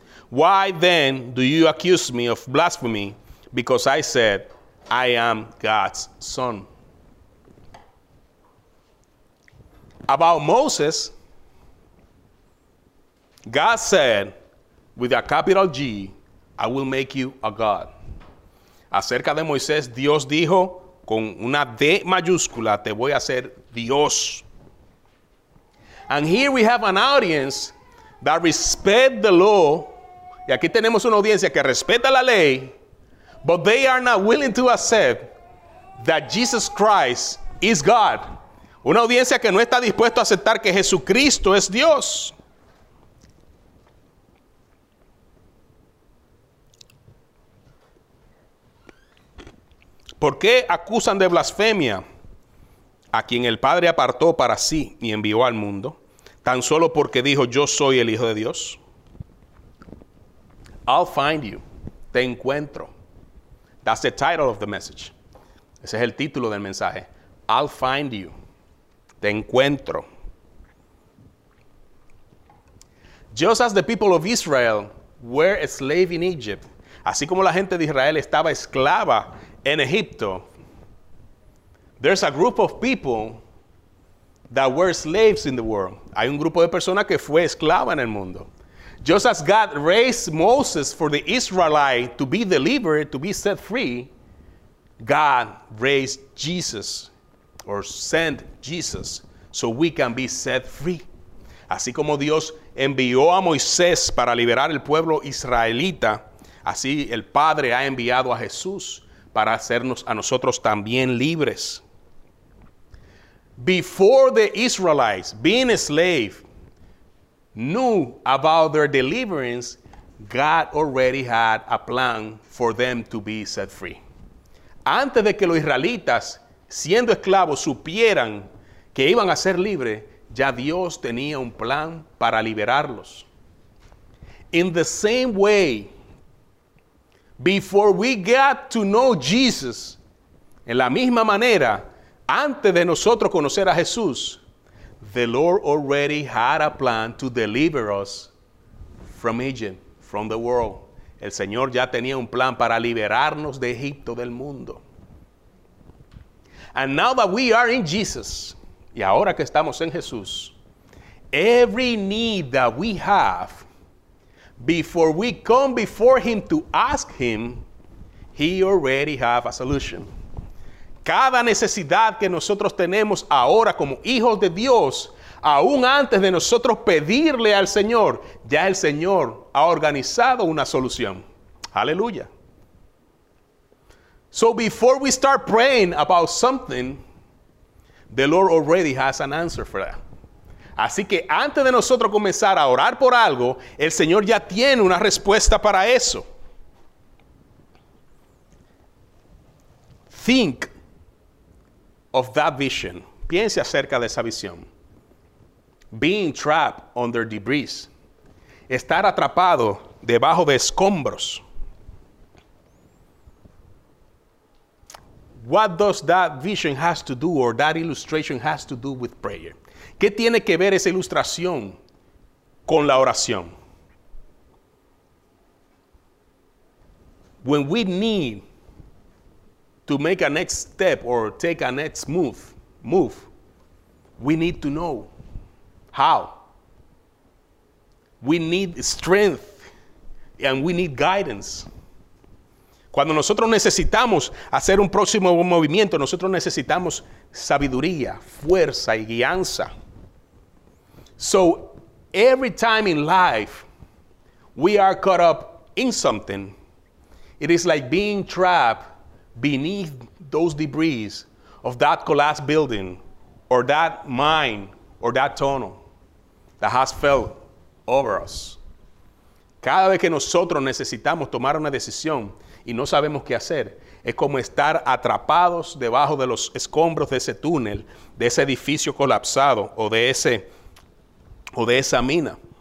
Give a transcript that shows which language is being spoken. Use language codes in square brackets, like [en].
[en] Why then do you accuse me of blasphemy because I said I am God's son? About Moses, God said, with a capital G, I will make you a God. [es] Acerca de Moisés, Dios dijo, con una D mayúscula, te voy a hacer Dios. [en] And here we have an audience that respect the law. [es] Y aquí tenemos una audiencia que respeta la ley. [en] But they are not willing to accept that Jesus Christ is God. [es] Una audiencia que no está dispuesto a aceptar que Jesucristo es Dios. ¿Por qué acusan de blasfemia a quien el Padre apartó para sí y envió al mundo? Tan solo porque dijo, yo soy el Hijo de Dios. [en] I'll find you. [es] Te encuentro. [en] That's the title of the message. [es] Ese es el título del mensaje. [en] I'll find you. [es] Te encuentro. [en] Just as the people of Israel were a slave in Egypt, [es] así como la gente de Israel estaba esclava en Egipto, [en] there's a group of people that were slaves in the world. [es] Hay un grupo de personas que fue esclava en el mundo. [en] Just as God raised Moses for the Israelite to be delivered, to be set free, God raised Jesus, or sent Jesus, so we can be set free. [es] Así como Dios envió a Moisés para liberar el pueblo israelita, así el Padre ha enviado a Jesús para hacernos a nosotros también libres. [en] before the Israelites, being a slave, knew about their deliverance, God already had a plan for them to be set free. [es] Antes de que los israelitas, siendo esclavos, supieran que iban a ser libres, ya Dios tenía un plan para liberarlos. [en] In the same way, before we got to know Jesus, [es] en la misma manera, antes de nosotros conocer a Jesús, [en] the Lord already had a plan to deliver us from Egypt, from the world. [es] El Señor ya tenía un plan para liberarnos de Egipto, del mundo. [en] And now that we are in Jesus, [es] y ahora que estamos en Jesús, [en] every need that we have, before we come before Him to ask Him, He already have a solution. [es] Cada necesidad que nosotros tenemos ahora como hijos de Dios, aún antes de nosotros pedirle al Señor, ya el Señor ha organizado una solución. Aleluya. [en] So before we start praying about something, the Lord already has an answer for that. [es] Así que antes de nosotros comenzar a orar por algo, el Señor ya tiene una respuesta para eso. [en] Think of that vision. [es] Piense acerca de esa visión. [en] Being trapped under debris. [es] Estar atrapado debajo de escombros. [en] What does that vision has to do, or that illustration has to do with prayer? [es] ¿Qué tiene que ver esa ilustración con la oración? [en] When we need to make a next step or take a next move, we need to know how. We need strength and we need guidance. [es] Cuando nosotros necesitamos hacer un próximo movimiento, nosotros necesitamos sabiduría, fuerza y guianza. [en] So every time in life we are caught up in something, it is like being trapped beneath those debris of that collapsed building or that mine or that tunnel that has fell over us. [es] Cada vez que nosotros necesitamos tomar una decisión y no sabemos qué hacer, es como estar atrapados debajo de los escombros de ese túnel, de ese edificio colapsado o de esa mina.